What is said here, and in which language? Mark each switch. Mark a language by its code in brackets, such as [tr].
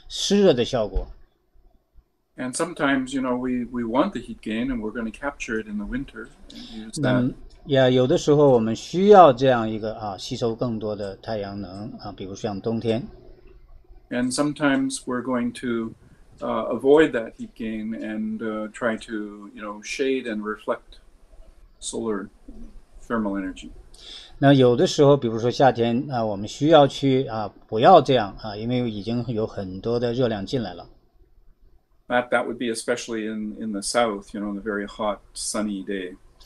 [zh] 那么有了这样的保热的能力，才可以有效的控制这个保热的效果，或者是湿热的效果。 [en] And sometimes, you know, we want the heat gain, and we're going to capture it in the winter and use that. [zh] Yeah, 有的时候我们需要这样一个吸收更多的太阳能，比如像冬天。 [en] And sometimes we're going to avoid that heat gain and try to, you know, shade and reflect solar thermal energy. [zh] 那有的时候，比如说夏天，我们需要去不要这样，因为已经有很多的热量进来了。 [en] That would be especially in the south, you know, on a very hot sunny day.